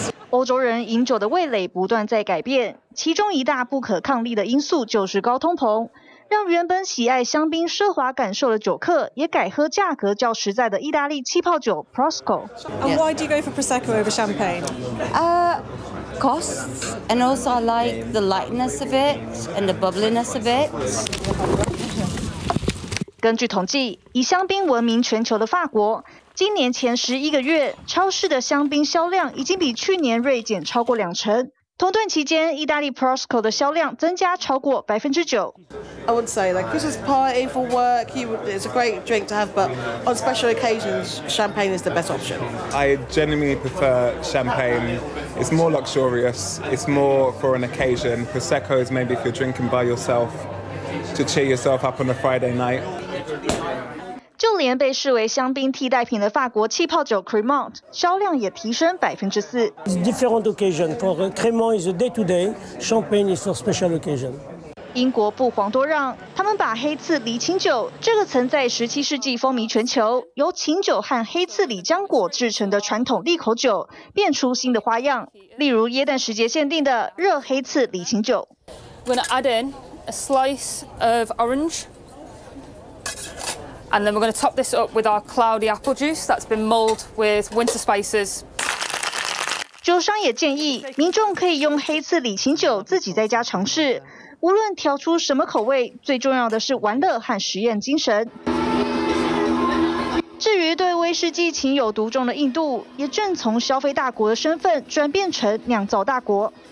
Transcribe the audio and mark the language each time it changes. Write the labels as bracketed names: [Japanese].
[Chinese] 欧洲人饮酒的味蕾不断在改变，其中一大不可抗力的因素就是高通膨，让原本喜爱香槟奢华感受的酒客也改喝价格较实在的意大利气泡酒 Prosecco。 [English] And why do you go for Prosecco over champagne? Costs, and also I like the lightness of it and the bubbliness of it. [Chinese] 根据统计，以香槟闻名全球的法国，今年前11个月，超市的香槟销量已经比去年锐减超过20%。同段期间，意大利 Prosecco 的销量增加超过9%。 [English] I would say like Christmas party for work, it's a great drink to have, but on special occasions, champagne is the best option. I genuinely prefer champagne. It's more luxurious. It's more for an occasion. Prosecco is maybe if you're drinking by yourself. To cheer yourself up on a Friday night. [Chinese] 就连被视为香槟替代品的法国气泡酒 Cremant 销量也提升4%。 [English] Different occasion for Cremant is a day-to-day. Champagne is for special occasion. [Chinese] 英国不遑多让，他们把黑刺梨清酒这个曾在17世纪风靡全球、由清酒和黑刺梨浆果制成的传统利口酒，变出新的花样，例如耶诞时节限定的热黑刺梨清酒。 [English] When I add in. A slice of orange, and then we're going to top this up with our cloudy apple juice that's been mulled with winter spices. [Chinese] 酒商也建议民众可以用黑刺里琴酒自己在家尝试，无论调出什么口味，最重要的是玩乐和实验精神。至于对威士忌情有独钟的印度，也正从消费大国的身份转变成酿造大国。